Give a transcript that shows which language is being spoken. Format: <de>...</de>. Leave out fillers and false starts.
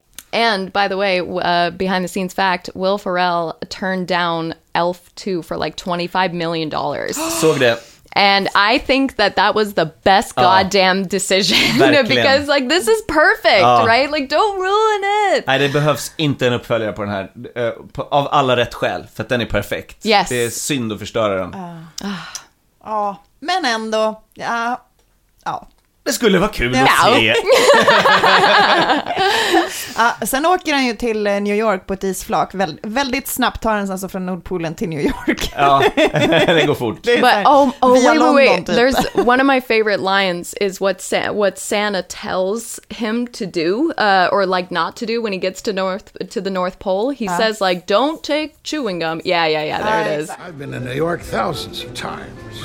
<en>And by the way, behind the scenes fact, Will Ferrell turned down Elf 2 for like $25 million.</en> <sv>Såg det.</sv> <en>And I think that that was the best goddamn decision. Because like, this is perfect, right? Like, don't ruin it.</en> <sv>Nej, det behövs inte en uppföljare på den här. Av alla rätt skäl, för att den är perfekt. Yes. Det är synd att förstöra den. Ja, men ändå. Ja, ja. Det skulle vara kul att se. Sen åker han ju till New York på ett isflak. Väldigt snabbt tar han sig alltså från Nordpolen till New York. Ja, det går fort.</sv> <en>But, wait. There's one of my favorite lines is what Santa tells him to do or like not to do when he gets to the North Pole. He says like, don't take chewing gum. Yeah, there it is. I've been in New York thousands of times.</en>